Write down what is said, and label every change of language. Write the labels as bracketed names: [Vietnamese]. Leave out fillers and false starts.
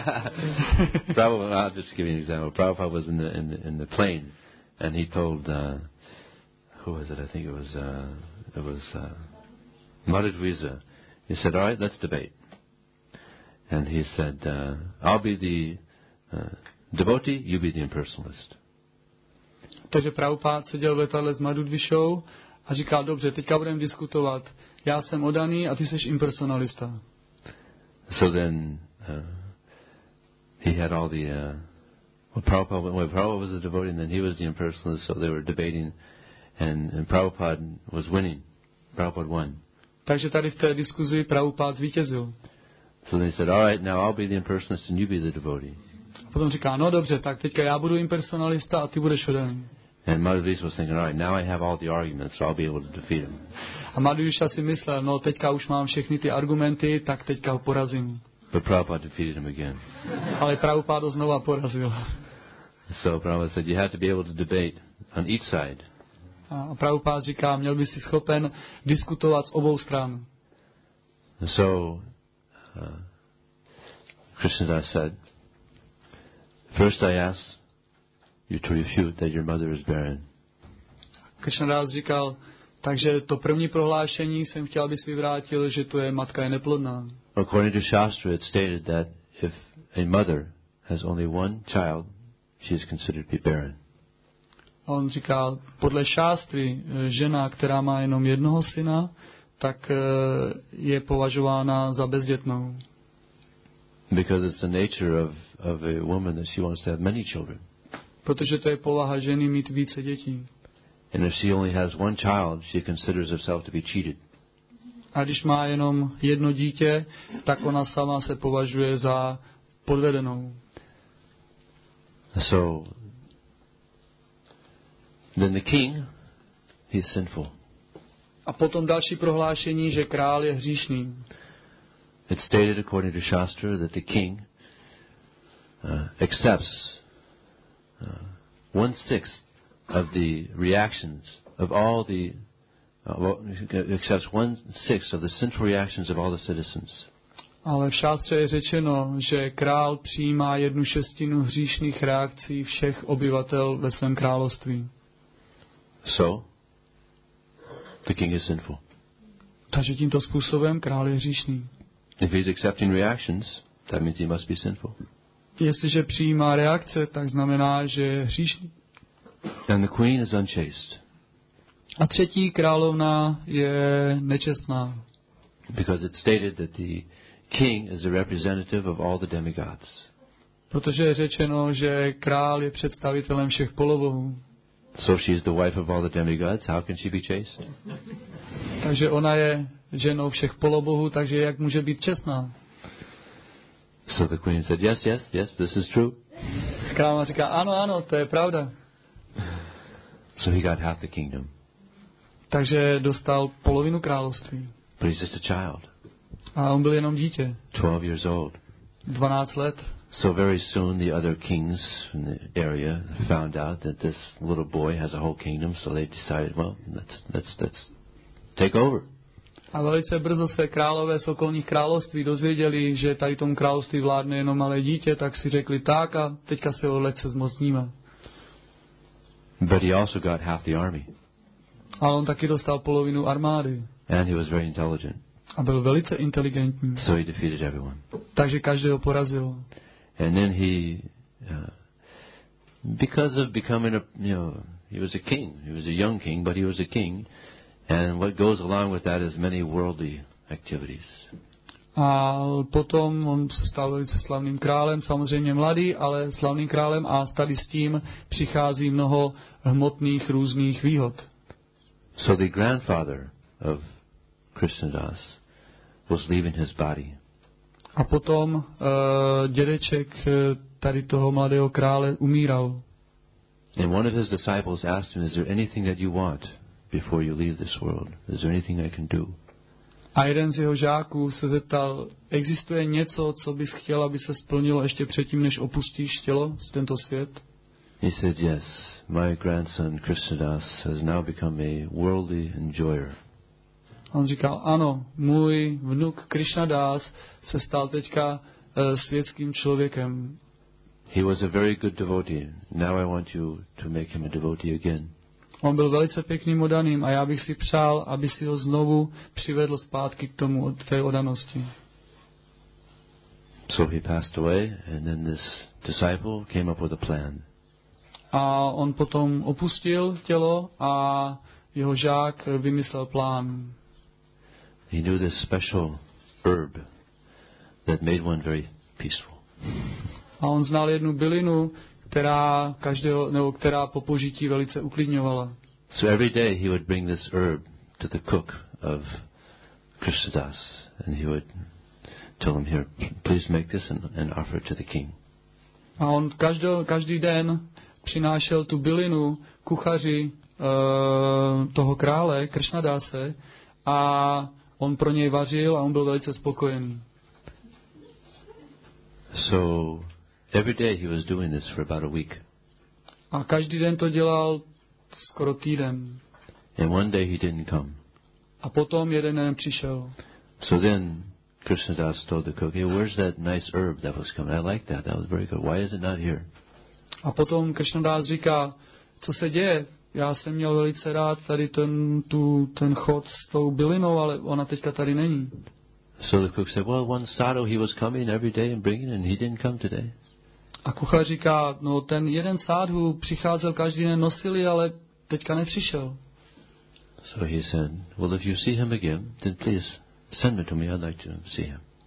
[English] Prabhupada, I'll just give you an example. Prabhupada was in the plane and he told Madhudvisa. He said, all right, let's debate. And he said, I'll be the devotee, you be the impersonalist. [Czech] Takže Prabhupád seděl ve tohle s Madhudvišou a říká, dobře, teďka budeme diskutovat. Já jsem odaný a ty jsi impersonalista. [English] So then he had all the Well, Prabhupada, when Prabhupada was a devotee, and then he was the impersonalist, so they were debating, and Prabhupada was winning. Prabhupada won. [Czech] Takže tady v té diskuzi Prabhupada zvítězil. [English] So they said, all right, now I'll be the impersonalist and you be the devotee. [Czech] Potom říká, no dobře, tak teďka já budu impersonalista a ty budeš Odhanu. [English] And Madhuvis was thinking, all right, now I have all the arguments, so I'll be able to defeat him. [Czech] A Madhuvisa si myslel, no teďka už mám všechny ty argumenty, tak teďka ho porazím. [English] But Prabhupada defeated him again. [Czech] Ale Prabhupada znova porazil. [English] So Prabhupada said, you have to be able to debate on each side. [Czech] A Prabhupada říká, měl by si schopen diskutovat s obou stran. [English] So Krishnadas said, first I ask you to refute that your mother is barren. [Czech] Krishnadas říkal, takže to první prohlášení jsem chtěl, abys vyvrátil, že to je matka je neplodná. [English] According to Shastra, it's stated that if a mother has only one child, she is considered to be barren. [Czech] On říkal, podle Shastry, žena, která má jenom jednoho syna, tak je považována za bezdětnou. [English] Because it's the nature of a woman that she wants to have many children. [Czech] Protože to je povaha ženy mít více dětí. [English] And if she only has one child, she considers herself to be cheated. [Czech] A když má jenom jedno dítě, tak ona sama se považuje za podvedenou. [English] So, then the king, he's sinful. [Czech] A potom další prohlášení, že král je hříšný. [English] It's stated according to Shastra that the king accepts one-sixth of the reactions of all the accepts one-sixth of the sinful reactions of all the citizens. [Czech] Ale v Šástře je řečeno, že král přijímá jednu šestinu hříšných reakcí všech obyvatel ve svém království. [English] So, the king is sinful. [Czech] Takže tímto způsobem král je hříšný. [English] If he's accepting reactions, that means he must be sinful. [Czech] Jestliže přijímá reakce, tak znamená, že je hříšný. [English] And the queen is unchaste. [Czech] A třetí královna je nečestná. [English] Because it's stated that the king is a representative of all the demigods. [Czech] Protože je řečeno, že král je představitelem všech polobohů. [English] So she is the wife of all the demigods. How can she be chaste? [Czech] Takže ona je ženou všech polobohů, takže jak může být čestná? [English] So the queen said, yes, yes, yes, this is true. [Czech] Královna říká, ano, ano, to je pravda. [English] So he got half the kingdom. [Czech] Takže dostal polovinu království. [English] But he's just a child. [Czech] A on byl jenom dítě. [English] 12 years old. [Czech] 12 let. [English] So very soon the other kings in the area found out that this little boy has a whole kingdom, so they decided, well, let's take over. [Czech] A velice brzo se králové z okolních království dozvěděli, že tady tomu království vládne jenom malé dítě, tak si řekli tak a teďka se ho lehce zmocníme. [English] But he also got half the army. [Czech] A on taky dostal polovinu armády. [English] And he was very intelligent. [Czech] A byl velice inteligentní. [English] So he defeated everyone. [Czech] Takže každého porazil. [English] And then he, because of becoming a, you know, he was a king. He was a young king, but he was a king. And what goes along with that is many worldly activities. [Czech] A potom on se stal velice slavným králem, samozřejmě mladý, ale slavným králem a tady s tím přichází mnoho hmotných různých výhod. [English] So the grandfather of Krishnadas was leaving his body. [Czech] A potom dědeček tady toho mladého krále umíral. [English] And one of his disciples asked him, is there anything that you want before you leave this world? Is there anything I can do? [Czech] A jeden z jeho žáků se zeptal, existuje něco, co bys chtěl, aby se splnilo ještě předtím, než opustíš tělo z tento svět? [English] He said, yes, my grandson Krishnadas has now become a worldly enjoyer. [Czech] On říkal, ano, můj vnuk Krishnadas se stal teďka světským člověkem. [English] He was a very good devotee. Now I want you to make him a devotee again. [Czech] On byl velice pěkným odaným a já bych si přál, aby si ho znovu přivedl zpátky k tomu od té odanosti. [English] So he passed away and then this disciple came up with a plan. [Czech] A on potom opustil tělo a jeho žák vymyslel plán. [English] He knew this special herb that made one very peaceful. [Czech] A on znal jednu bylinu, která každého nebo která po požití velice uklidňovala. [English] So every day he would bring this herb to the cook of Krishnadas and he would tell him, here, please make this and offer it to the king. [Czech] A on každý den přinášel tu bylinu kuchaři toho krále Krishnadase a on pro něj vařil a on byl velice spokojený. [English] So every day he was doing this for about a week. [Czech] A každý den to dělal skoro týden. [English] And one day he didn't come. [Czech] A potom jeden den přišel. [English] So then Krishnadas told the cook, hey, where's that nice herb that was coming? I like that. That was very good. Why is it not here? [Czech] A potom Krishnadas říká, co se děje? Já jsem měl velice rád tady ten chod s tou bylinou, ale ona teďka tady není. [English] So the cook said, well, one sado, he was coming every day and bringing and he didn't come today. [Czech] A kuchař říká, no ten jeden sádhu přicházel každý den nosili, ale teďka nepřišel. [English] So he said, well, if you see him again, then please send me to me, I'd like to see him.